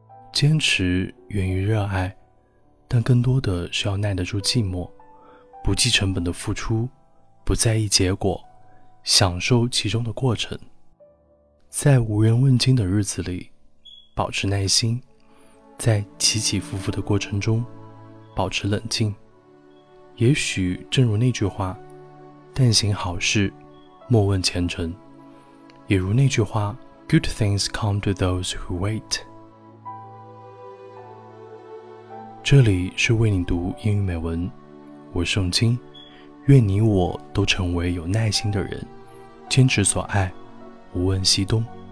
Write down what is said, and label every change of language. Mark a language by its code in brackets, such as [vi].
[zh] 坚持源于热爱，但更多的是要耐得住寂寞，不计成本的付出，不在意结果，享受其中的过程。在无人问津的日子里，保持耐心，在起起伏伏的过程中，保持冷静。也许正如那句话，但行好事，莫问前程。也如那句话， [en] Good things come to those who wait。 [zh] 这里是为你读英语美文，我是宋清，愿你我都成为有耐心的人，坚持所爱，无问西东。